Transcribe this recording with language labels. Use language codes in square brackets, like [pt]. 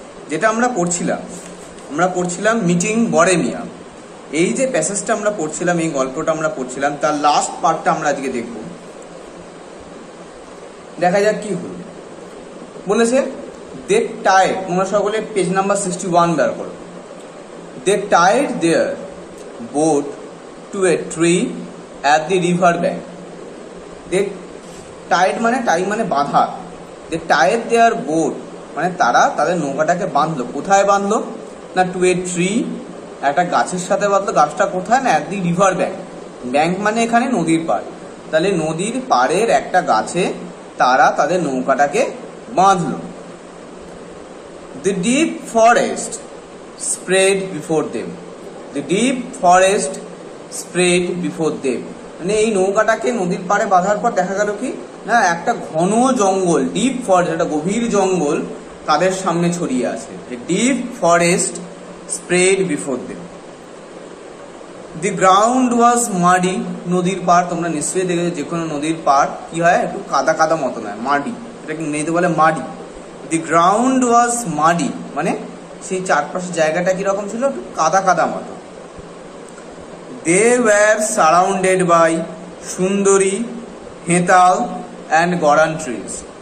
[bn] যেটা আমরা পড়ছিলাম, আমরা পড়ছিলাম মিটিং বরেমিয়া। এই যে প্যাসেজটা আমরা পড়ছিলাম, এই গল্পটা আমরা পড়ছিলাম, তার লাস্ট পার্টটা আমরা আজকে দেখব। দেখা যাক কি হল। বলেছে দেব টাই, তোমরা সকলে পেজ নাম্বার 61 বার করো। [en] They tied their boat to a tree at the river bank. They tied [bn] মানে বাঁধা। [en] They tied their boat [bn] মানে তারা তাদের নৌকাটাকে বাঁধলো। কোথায় বাঁধলো? না [en] to a tree, [bn] একটা গাছের সাথে বাঁধলো। গাছটা কোথায়? না [en] at the river bank, [bn] bank মানে এখানে নদীর পাড়। তাহলে নদীর পাড়ের একটা গাছে তারা তাদের নৌকাটাকে বাঁধলো। [en] The deep forest spread before them. The deep forest spread before them. [bn] মানে এই নৌকাটাকে নদীর পাড়ে বাঁধার পর দেখা গেল কি না একটা ঘন জঙ্গল, ডিপ ফরেস্ট, একটা গভীর জঙ্গল তাদের সামনে ছড়িয়ে আছে। [en] The deep forest spread before them. The ground was muddy. [bn] নদীর পাড়, তোমরা নিশ্চয়ই দেখেছো যে কোনো নদীর পাড় কি হয়, একটু কাদা কাদা মতো নয়, মাডি, এটাকে ইংরেজিতে বলে muddy. [en] The ground was muddy [bn] মানে সেই চারপাশের জায়গাটা কিরকম ছিল, একটু কাদা কাদা মতো। [en] They were surrounded by sundari hental and goran trees.